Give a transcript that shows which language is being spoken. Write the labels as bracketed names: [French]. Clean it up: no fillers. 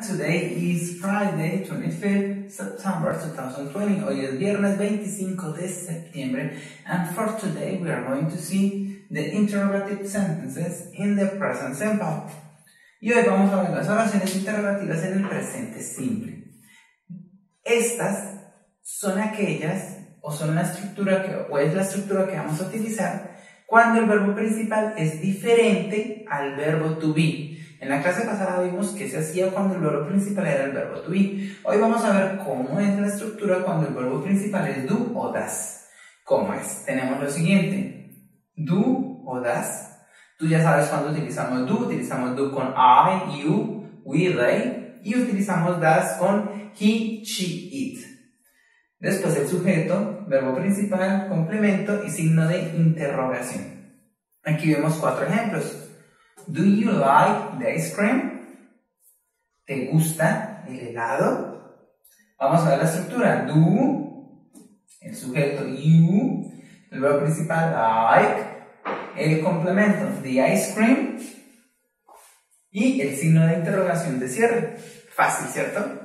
[English] Today is Friday, 25th September 2020. [Spanish] Hoy es viernes 25 de septiembre. [English] And for today, we are going to see the interrogative sentences in the present simple. [Spanish] Y hoy vamos a ver las oraciones interrogativas en el presente simple. Estas son aquellas, o son la estructura que, o es la estructura que vamos a utilizar cuando el verbo principal es diferente al verbo to be. En la clase pasada vimos qué se hacía cuando el verbo principal era el verbo to be. Hoy vamos a ver cómo es la estructura cuando el verbo principal es do o does. ¿Cómo es? Tenemos lo siguiente. Do o does. Tú ya sabes cuándo utilizamos do con I, you, we, they, y utilizamos does con he, she, it. Después el sujeto, verbo principal, complemento y signo de interrogación. Aquí vemos cuatro ejemplos. [English] Do you like the ice cream? [Spanish] ¿Te gusta el helado? Vamos a ver la estructura. Do, el sujeto you, el verbo principal like, el complemento the ice cream y el signo de interrogación de cierre. Fácil, ¿cierto?